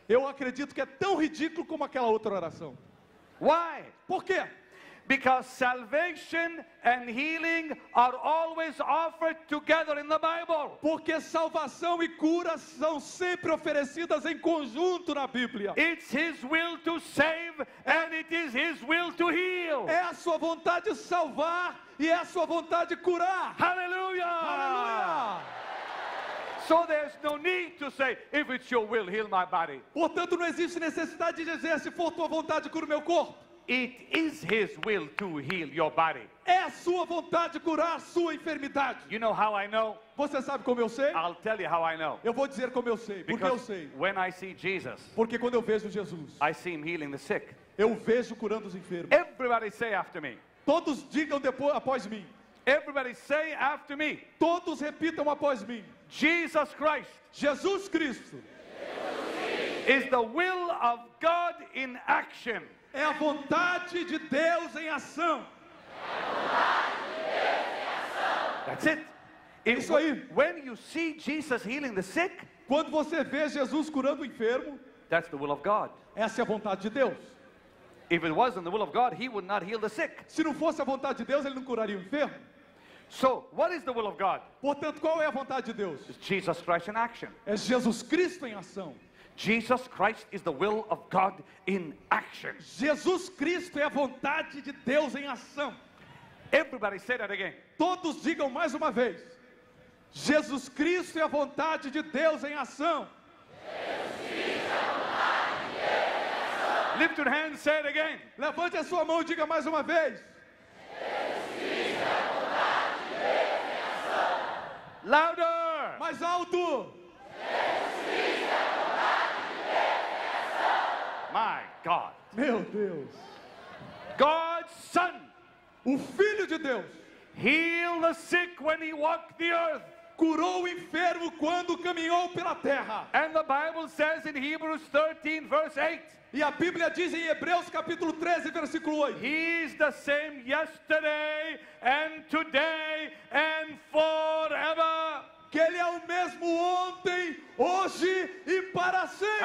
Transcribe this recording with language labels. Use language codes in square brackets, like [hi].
[pt] Eu acredito que é tão ridículo como aquela outra oração. [en] Why? [pt] Por quê? [en] Because salvation and healing are always offered together in the Bible. [pt] Porque salvação e cura são sempre oferecidas em conjunto na Bíblia. [en] It's his will to save and it is his will to heal. [pt] É a sua vontade salvar e é a sua vontade curar. [en] Hallelujah! So there's no need to say if it's your will heal my body. [pt] Portanto não existe necessidade de dizer se for tua vontade cura meu corpo. [en] It is his will to heal your body. [pt] É a sua vontade curar a sua enfermidade. [en] You know how I know? [pt] Você sabe como eu sei? [en] I'll tell you how I know. [pt] Eu vou dizer como eu sei, porque eu sei. [en] When I see Jesus. [pt] Porque quando eu vejo Jesus. [en] I see him healing the sick. [pt] Eu vejo curando os enfermos. [en] Everybody say after me. [pt] Todos digam depois após mim. [en] Everybody say after me. [pt] Todos repitam após mim. [en] Jesus Christ. [pt] Jesus Cristo. [en] Is the will of God in action. [pt] É a vontade de Deus em ação. [en] That's it. [pt] Isso aí. [en] When you see Jesus healing the sick, [pt] quando você vê Jesus curando o enfermo, [en] that's the will of God. [pt] Essa é a vontade de Deus. [en] If it wasn't the will of God, he would not heal the sick. [pt] Se não fosse a vontade de Deus, ele não curaria o enfermo. [en] So, what is the will of God? [pt] Portanto, qual é a vontade de Deus? [en] It's Jesus Christ in action. [pt] É Jesus Cristo em ação. [en] Jesus Christ is the will of God in action. [pt] Jesus Cristo é a vontade de Deus em ação. [en] Everybody say that again. [pt] Todos digam mais uma vez. Jesus Cristo é a vontade de Deus em ação. [en] Lift your hand, say it again. [pt] Levante a sua mão e diga mais uma vez. Jesus Cristo é a vontade de Deus em ação. [en] Louder. [pt] Mais alto. [en] My God. [pt] Meu Deus. [en] God's son. [pt] O filho de Deus. [en] Heal the sick when he walked the earth. [pt] curou o enfermo quando caminhou pela terra. [en] And the Bible says in Hebrews 13 verse 8. [pt] E a Bíblia diz em Hebreus capítulo 13 versículo 8. [en] He is the same yesterday and today and forever. [pt] Que ele é o mesmo ontem, hoje e para sempre.